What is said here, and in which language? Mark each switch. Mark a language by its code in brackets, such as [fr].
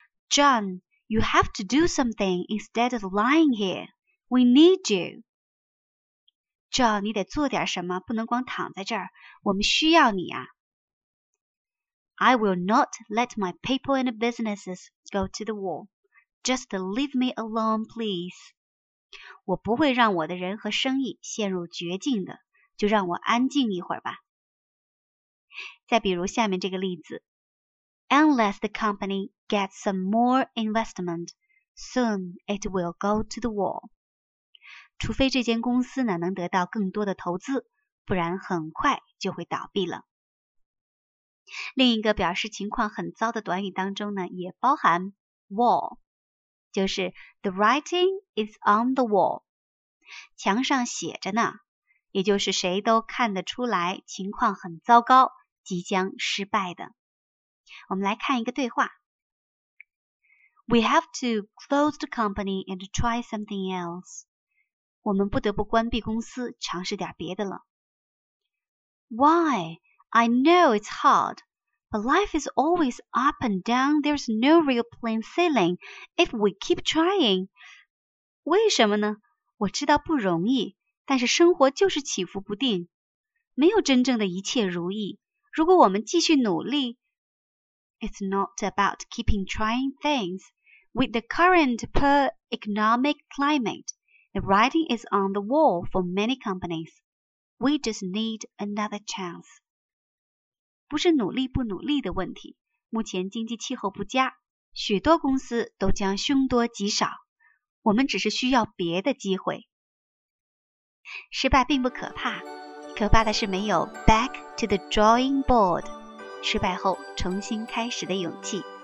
[en] John, you have to do something instead of lying here. We need you. [zh] John, 你得做点什么，不能光躺在这儿，我们需要你啊。 [en] I will not let my people and businesses go to the wall. Just leave me alone, please. [zh] 我不会让我的人和生意陷入绝境的，就让我安静一会儿吧。再比如下面这个例子。 [en] Unless the company gets some more investment, soon it will go to the wall. [zh] 除非这间公司呢能得到更多的投资，不然很快就会倒闭了。另一个表示情况很糟的短语当中呢，也包含 wall， 就是 [en] the writing is on the wall， [zh] 墙上写着呢，也就是谁都看得出来情况很糟糕，即将失败的。我们来看一个对话。 [en] We have to close the company and try something else. [zh] 我们不得不关闭公司，尝试点别的了。 [en] Why? I know it's hard, but life is always up and down. There's no real plain sailing if we keep trying. [zh] 为什么呢？我知道不容易，但是生活就是起伏不定，没有真正的一切如意。如果我们继续努力 [en] ，It's not about keeping trying things. With the current poor economic climate, the writing is on the wall for many companies. We just need another chance. [zh] 不是努力不努力的问题，目前经济气候不佳，许多公司都将凶多吉少，我们只是需要别的机会。失败并不可怕，可怕的是没有 [en] back to the drawing board， [zh] 失败后重新开始的勇气。